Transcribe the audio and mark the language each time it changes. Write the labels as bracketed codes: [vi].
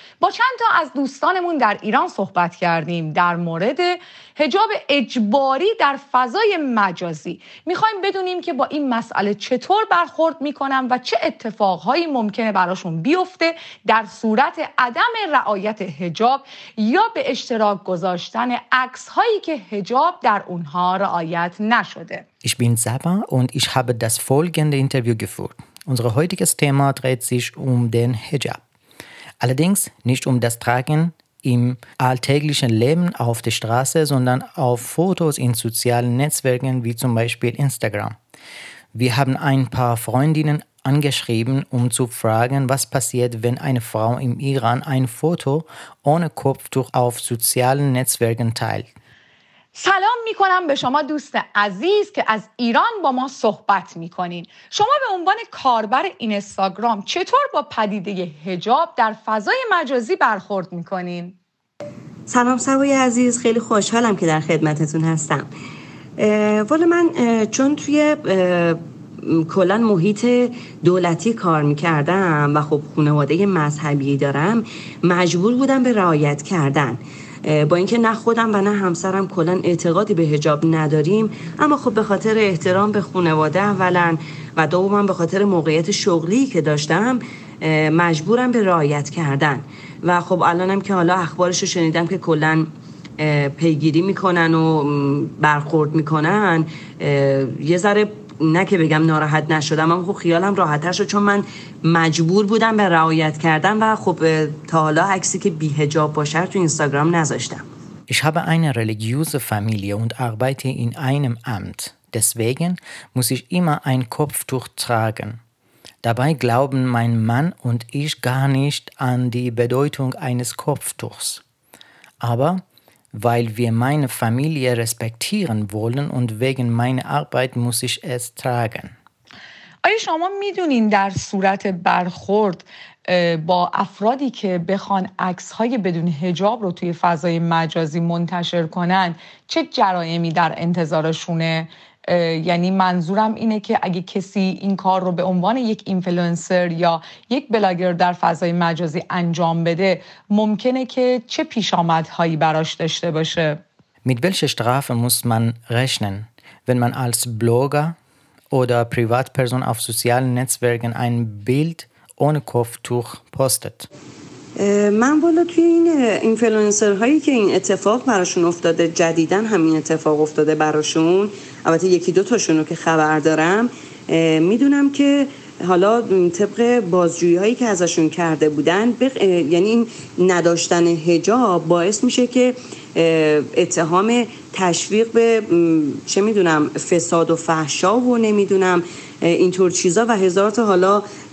[fa] با چند تا از دوستانمون در ایران صحبت کردیم در مورد حجاب اجباری در فضای مجازی. میخوایم بدونیم که با این مسئله چطور برخورد میکنن و چه اتفاقهایی ممکنه براشون بیفته در صورت عدم رعایت حجاب یا به اشتراک گذاشتن عکسهایی که حجاب در اونها رعایت نشده. [de] Ich bin Saba und ich habe das folgende Interview geführt. Unser heutiges Thema dreht sich um den Hijab. Allerdings nicht um das Tragen im alltäglichen Leben auf der Straße, sondern auf Fotos in sozialen Netzwerken wie zum Beispiel Instagram. Wir haben ein paar Freundinnen angeschrieben, um zu fragen, was passiert, wenn eine Frau im Iran ein Foto ohne Kopftuch auf sozialen Netzwerken teilt. [fa] سلام میکنم به شما دوست عزیز که از ایران با ما صحبت میکنین. شما به عنوان کاربر اینستاگرام چطور با پدیده حجاب در فضای مجازی برخورد میکنین؟ سلام سوای عزیز، خیلی خوشحالم که در خدمتتون هستم. ولی من چون توی کلن محیط دولتی کار میکردم و خب خانواده مذهبی دارم، مجبور بودم به رعایت کردن. با اینکه نه خودم و نه همسرم کلن اعتقادی به حجاب نداریم، اما خب به خاطر احترام به خانواده اولا و دومم به خاطر موقعیت شغلی که داشتم مجبورم به رعایت کردن. و خب الانم که حالا اخبارش رو شنیدم که کلن پیگیری میکنن و برخورد میکنن، یه ذره نه که بگم ناراحت نشدم، اما خب خیالم راحت‌تر شد چون من مجبور بودم به رعایت کردن و خب تا حالا عکسی که بی حجاب باشه تو اینستاگرام نذاشتم. [de] Ich habe eine religiöse Familie und arbeite in einem Amt. Deswegen muss ich immer ein Kopftuch tragen. Dabei glauben mein Mann und ich gar nicht an die Bedeutung eines Kopftuchs. Aber weil wir meine Familie respektieren wollen und wegen meiner Arbeit muss ich es tragen. [fa] آیا شما میدونین در صورت برخورد با افرادی که بخوان عکس‌های بدون حجاب رو توی فضای مجازی منتشر کنن چه جرایمی در انتظارشونه؟ یعنی منظورم اینه که اگه کسی این کار رو به عنوان یک اینفلوئنسر یا یک بلاگر در فضای مجازی انجام بده ممکنه که چه پیشامدهایی براش داشته باشه. [de] Mit welcher Strafe muss man rechnen, wenn man als Blogger oder Privatperson auf sozialen Netzwerken ein Bild ohne Kopftuch postet? [fa] من والا توی این اینفلوئنسر هایی که این اتفاق براشون افتاده، جدیدن همین اتفاق افتاده براشون، البته یکی دو تاشون رو که خبر دارم، میدونم که حالا طبق بازجویی هایی که ازشون کرده بودن، یعنی این نداشتن حجاب باعث میشه که اتهام تشویق به چه میدونم فساد و فحشا و نمیدونم اینطور چیزا و هزار تا حالا